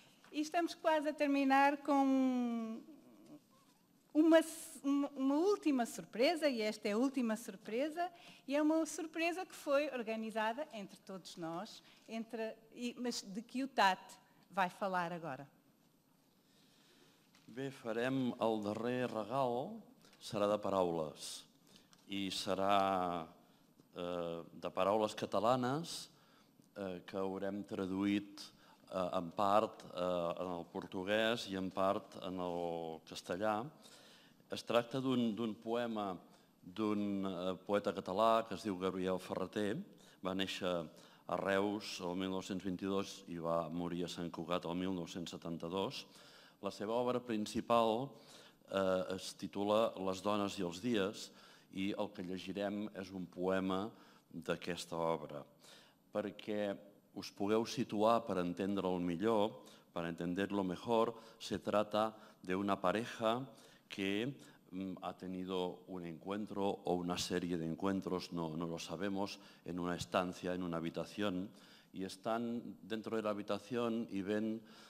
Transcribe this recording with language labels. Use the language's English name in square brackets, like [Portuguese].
[Portuguese] E estamos quase a terminar com uma última surpresa, e esta é a última surpresa, e é uma surpresa que foi organizada entre todos nós, mas de que o Tate vai falar agora. [Catalan] Bé, farem el darrer regal, serà de paraules, i serà de paraules catalanes que haurem traduït en part en el portuguès i en part en el castellà. Es tracta d'un poema d'un poeta català que es diu Gabriel Ferreter. Va néixer a Reus el 1922 i va morir a Sant Cugat el 1972. La seva obra principal es titula Les dones i els dies i el que llegirem és un poema d'aquesta obra. Perquè us pugueu situar per entendre'l millor, [Spanish] per entender-lo mejor, se trata d'una pareja que ha tenido un encuentro o una serie de encuentros, no lo sabemos, en una estancia, en una habitación, y están dentro de la habitación y ven